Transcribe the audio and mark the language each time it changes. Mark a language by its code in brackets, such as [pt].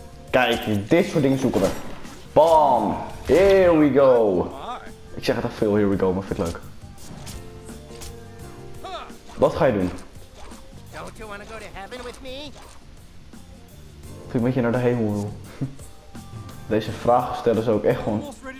[nl] Kijk, dit soort dingen zoeken we. Bam! [en] Here we go! [nl] Ik zeg het al veel, [en] here we go, [nl] maar vind ik leuk. Wat ga je doen? [en] Don't you wanna go to heaven with me? [nl] Of ik met je naar de hemel wil. Deze vragen stellen ze ook echt gewoon.